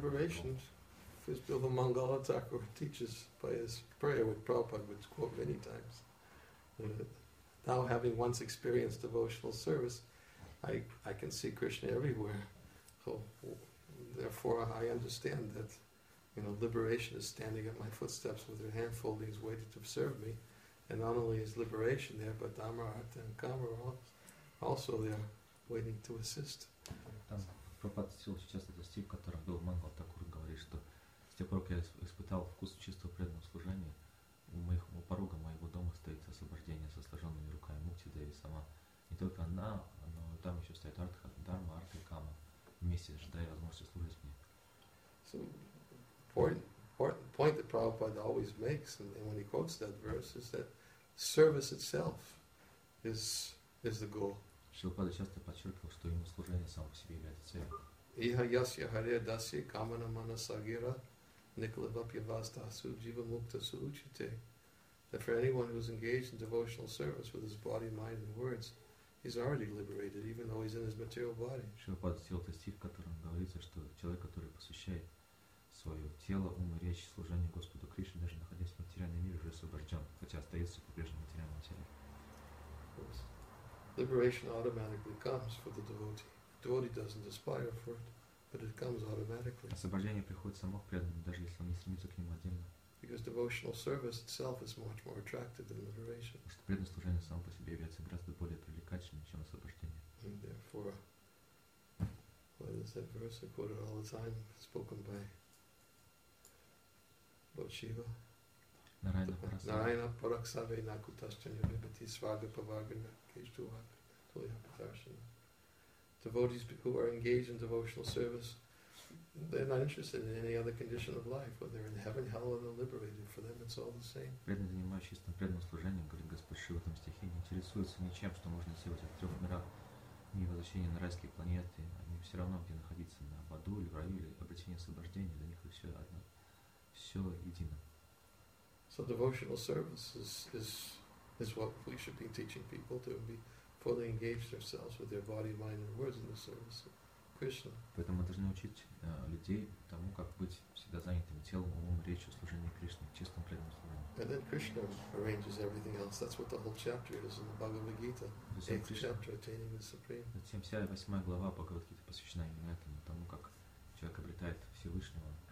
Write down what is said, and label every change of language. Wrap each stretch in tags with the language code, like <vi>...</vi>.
<en>Well, liberation, as Bhagavan Mangala Thakur teaches by his prayer, which Prabhupada would quote many times, now having once experienced devotional service, I can see Krishna everywhere. So, therefore, I understand that, you know, liberation is standing at my footsteps with their hand folding, waiting to serve me. And not only is liberation there, but Dhammarat and Kama are also there, waiting to assist.</en> <ru>Там Прабхупада сказал сейчас этот стих, в котором был Мангал Такур, говорит, что с тех пор, как я испытал вкус чистого преданного служения, у порога моего дома стоит освобождение со сложенными руками Мукти Деви сама. Не только она, но там еще стоит Артха, Дхарма, Артха и Кама, вместе ожидая возможности служить мне.</ru> <en>So, the point that Prabhupada always makes, and when he quotes that verse, is that service itself is the goal.</en> <ru>Шилпада часто подчеркивал, что ему служение само по себе является целью.</ru> <sa>Иха ясья харе дасья камана манасагира никлабапьяваста су джива мукта су учите.</sa> <en>That for anyone who is engaged in devotional service with his body, mind and words, he's already liberated, even though he's in his material body.</en> <ru>Шилпада сделал этот стих, в котором говорится, что человек, который посвящает свое тело, ум и речь, служение Господу Кришне, даже находясь в материальном мире, уже освобожден, хотя остается по-прежнему в материальном теле.</ru> <en>Liberation automatically comes for the devotee. The devotee doesn't aspire for it, but it comes automatically.</en> <ru>Освобождение приходит само к преданному, даже если он не стремится к нему отдельно.</ru> <en>Because devotional service itself is much more attractive than liberation.</en> <ru>Потому что преданное служение само по себе является гораздо более привлекательным, чем освобождение.</ru> <en>And therefore, why does that verse quoted all the time, spoken by Lord Shiva.</en> <sa>Narayana Paraksave Nakutashtanya Vibhati Svaga Pavagana Keshtuvak Tulyapitarshana.</sa> <en>Devotees who are engaged in devotional service, they're not interested in any other condition of life, whether in heaven, hell, or they're liberated. For them, it's all the same.</en> <ru>Преданный, занимающийся там преданным служением, говорит Господь Шива в этом стихе, не интересуется ничем, что можно сделать в трех мирах, ни возвращение на райские планеты, они все равно, где находиться, на аду или в раю, или обретение освобождения, для них все одно. Все едино.</ru> <en>So devotional service is what we should be teaching people to be fully engaged themselves with their body, mind, and words in the service of Krishna.</en> <ru>Поэтому мы должны учить людей тому, как быть всегда занятым телом, умом, речью, служением Кришне, чистым преданным служением.</ru> <en>And then Krishna arranges everything else. That's what the whole chapter is in the Bhagavad Gita, eighth chapter, attaining the supreme.</en> <ru>Затем вся восьмая глава Бхагавад Гиты посвящена именно этому, тому, как человек обретает Всевышнего.</ru>